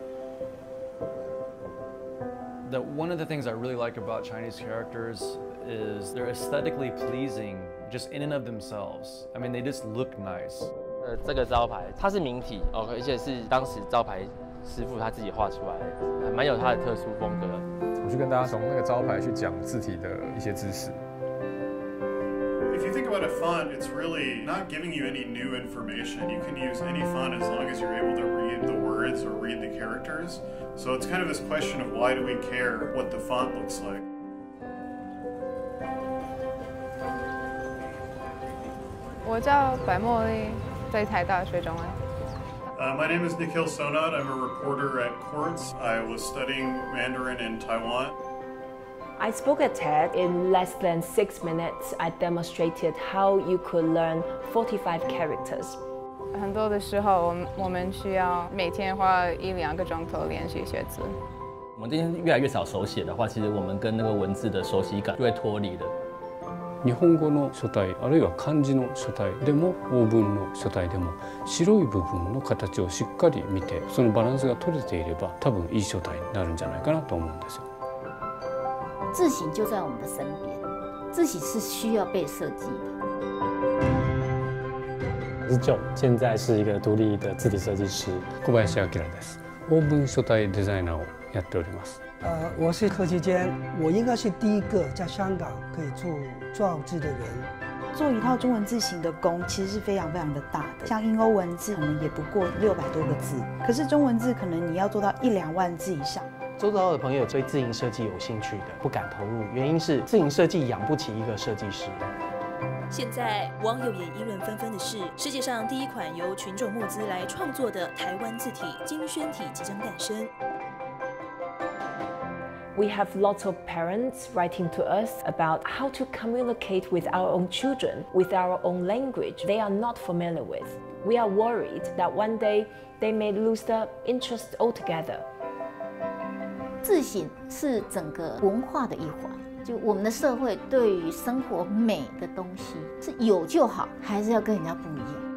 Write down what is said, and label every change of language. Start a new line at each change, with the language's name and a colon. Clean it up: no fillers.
English: One of the things I really like about Chinese characters is they're aesthetically pleasing just in and of themselves. I mean, they just look nice.
Chinese: 这个招牌它是明体、哦、而且是当时招牌师傅他自己画出来的，蛮有他的特殊风格。我去跟大家从那个招牌去讲字体的一些知识。
English: If you think about a font, it's really not giving you any new information. You can use any font as long as you're able to read the words or read the characters. So it's kind of this question of why do we care what the font looks like? My name is Nikhil Sonat. I'm a reporter at Quartz. I was studying Mandarin in Taiwan. I spoke at TED in less than 6 minutes. I demonstrated how you could learn 45 characters.
Chinese: 很多的时候我们需要每天花一两个钟头练习写字。我们今天越来越少手写的话，其实我们跟那个文字的熟悉感就会脱离了。
Japanese: 日本語の書体あるいは漢字の書体でも欧文の書体でも白い部分の形をしっかり見てそのバランスが取れていれば多分いい書体になるんじゃないかなと思うんですよ。
Chinese: 字形就在我们的身边，字形是需要被设计的。現在是一個獨立的字體設計師
Japanese: 小林明です。オーブン書体デザイナーをやっております。
Chinese: 我是柯其堅，我應該是第一個在香港可以做造字的人。做一套中文字型的工其實是非常非常的大的，像英歐文字可能也不過600多個字，可是中文字可能你要做到一兩萬字以上。周遭的朋友對字型設計有興趣的不敢投入，原因是字型設計養不起一個設計師。现在网友也议论纷纷的是，世界上第一款由群众募资来创作的台湾字体金宣体即将诞生。
English: We have lots of parents writing to us about how to communicate with our own children with our own language they are not familiar with. We are worried that one day they may lose the interest altogether.
Chinese: 字型是整个文化的一环。就我们的社会对于生活美的东西是有就好，还是要跟人家不一样？